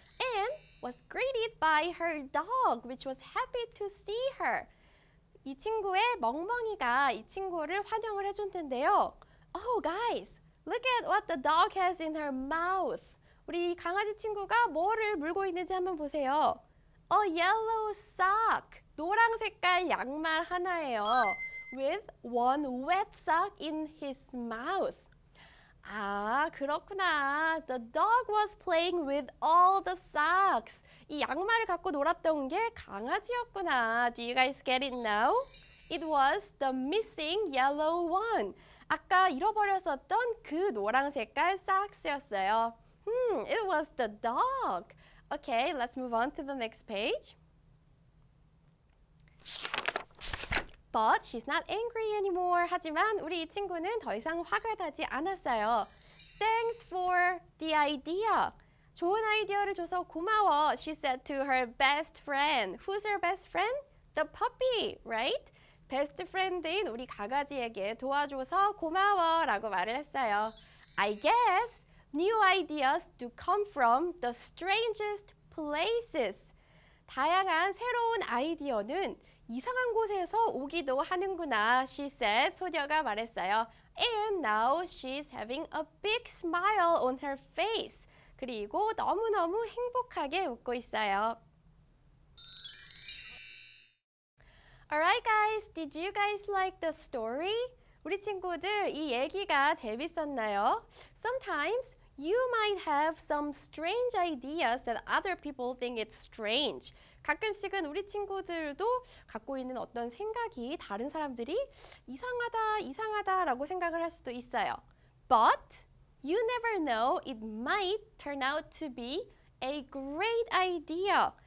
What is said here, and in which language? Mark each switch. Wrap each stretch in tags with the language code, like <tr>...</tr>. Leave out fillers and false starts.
<en>And was greeted by her dog, which was happy to see her.</en> <ko>이 친구의 멍멍이가 이 친구를 환영을 해줬는데요.</ko> <en>Oh, guys, look at what the dog has in her mouth.</en> <ko>우리 강아지 친구가 뭐를 물고 있는지 한번 보세요.</ko> <en>A yellow sock.</en> <ko>노란 색깔 양말 하나예요.</ko> <en>With one wet sock in his mouth.</en> <ko>아, 그렇구나.</ko> <en>The dog was playing with all the socks.</en> <ko>이 양말을 갖고 놀았던 게 강아지였구나.</ko> <en>Do you guys get it now? It was the missing yellow one.</en> <ko>아까 잃어버렸었던 그 노란 색깔 socks였어요.</ko> <en>It was the dog. Okay, let's move on to the next page. But she's not angry anymore.</en> <ko>하지만 우리 이 친구는 더 이상 화가 나지 않았어요.</ko> <en>Thanks for the idea.</en> <ko>좋은 아이디어를 줘서 고마워.</ko> <en>She said to her best friend. Who's her best friend? The puppy, right?</en> <ko>Best friend인 우리 강아지에게 도와줘서 고마워 라고 말을 했어요.</ko> <en>I guess new ideas do come from the strangest places.</en> <ko>다양한 새로운 아이디어는 이상한 곳에서 오기도 하는구나.</ko> <en>She said,</en> <ko>소녀가 말했어요.</ko> <en>And now she's having a big smile on her face.</en> <ko>그리고 너무너무 행복하게 웃고 있어요.</ko> <en>Alright guys, did you guys like the story?</en> <ko>우리 친구들 이 얘기가 재밌었나요?</ko> <en>Sometimes you might have some strange ideas that other people think it's strange.</en> <ko>가끔씩은 우리 친구들도 갖고 있는 어떤 생각이 다른 사람들이 이상하다, 이상하다라고 생각을 할 수도 있어요.</ko> <en>But you never know, it might turn out to be a great idea.</en>